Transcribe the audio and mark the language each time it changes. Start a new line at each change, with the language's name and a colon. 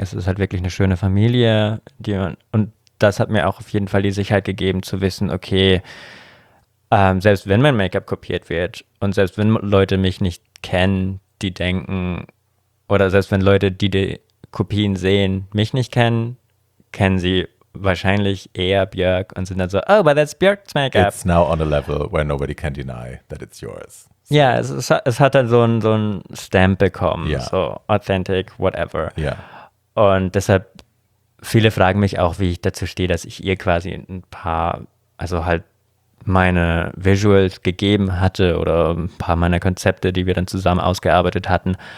German: Es ist halt wirklich eine schöne Familie. Die man, und das hat mir auch auf jeden Fall die Sicherheit gegeben, zu wissen, okay, selbst wenn mein Make-up kopiert wird und selbst wenn Leute mich nicht kennen, die denken, oder selbst wenn Leute, die die Kopien sehen, mich nicht kennen, kennen sie wahrscheinlich eher Björk und sind dann so, oh,
English: but that's Björk's Make-up. It's now on a level where nobody can deny that it's yours.
German: Ja, es hat dann so ein Stamp bekommen, yeah.
English: So authentic, whatever. Yeah.
German: Und deshalb, viele fragen mich auch, wie ich dazu stehe, dass ich ihr quasi ein paar, also halt meine Visuals gegeben hatte oder ein paar meiner Konzepte, die wir dann zusammen ausgearbeitet hatten.